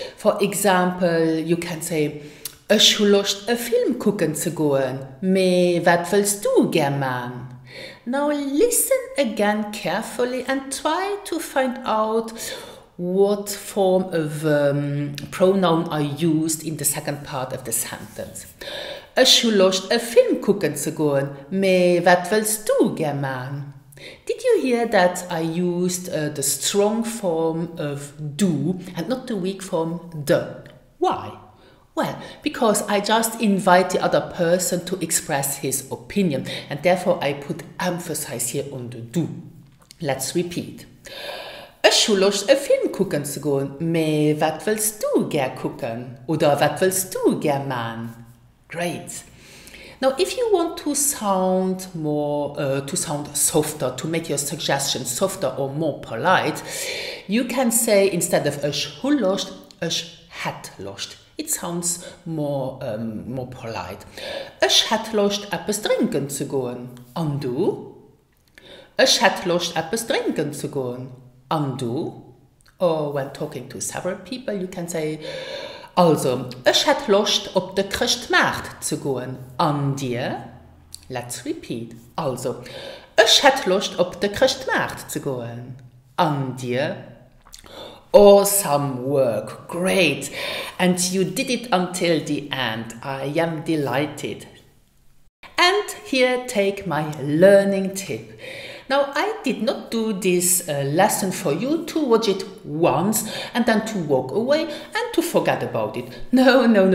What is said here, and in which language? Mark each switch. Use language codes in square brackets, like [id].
[en] For example, you can say, [de] ich habe Lust, einen Film gucken zu gehen. Aber was willst du gerne machen? [en] Now listen again carefully and try to find out what form of pronoun are used in the second part of the sentence. [de] Ich habe Lust, einen Film gucken zu gehen. Aber was willst du gerne machen? [en] Did you hear that I used the strong form of do and not the weak form the? Why? Well, because I just invite the other person to express his opinion and therefore I put emphasis here on the do. Let's repeat. [de] Ich habe Lust, einen Film gucken zu gehen. Aber was willst du gerne gucken? Oder was willst du gerne machen? [en] Great. Now, if you want to sound softer, to make your suggestion softer or more polite, you can say instead of [de] ich habe Lust, ich hätte Lust. [en] It sounds more polite. [de] Ich hätte Lust, etwas trinken zu gehen. Und du? Ich hätte Lust, etwas trinken zu gehen. Und du? [en] Or when talking to several people, you can say, also, [de] ich hätte Lust, auf der Christmarkt zu gehen. Und dir? [en] Let's repeat. [de] Also, ich hätte Lust, auf der Christmarkt zu gehen. Und dir? [en] Awesome work, great, and you did it until the end. I am delighted. And here take my learning tip. Now I did not do this lesson for you to watch it once and then to walk away and to forget about it. No.